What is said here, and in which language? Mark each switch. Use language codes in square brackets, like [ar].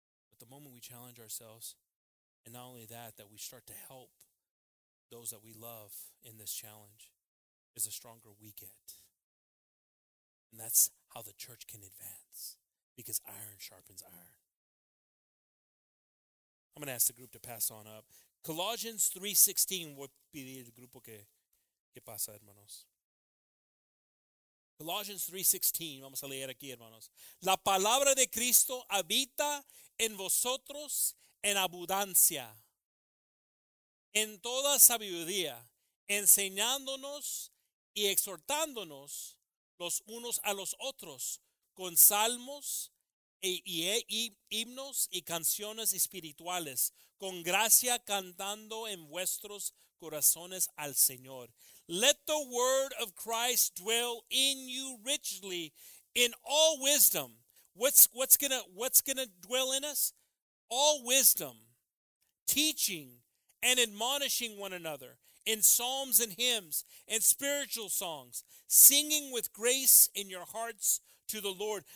[en] But the moment we challenge ourselves, and not only that, that we start to help those that we love in this challenge, is the stronger we get. And that's how the church can advance, because iron sharpens iron. I'm going to ask the group to pass on up. Colossians 3:16. [es] Voy a pedir al grupo que pasa, hermanos. Colossians 3:16. Vamos a leer aquí, hermanos. La palabra de Cristo habita en vosotros en abundancia, en toda sabiduría, enseñándonos y exhortándonos los unos a los otros con salmos y himnos y canciones espirituales, con gracia cantando en vuestros corazones al Señor. [en] Let the word of Christ dwell in you richly in all wisdom. What's gonna dwell in us? All wisdom, teaching and admonishing one another in psalms and hymns and spiritual songs, singing with grace in your hearts to the Lord.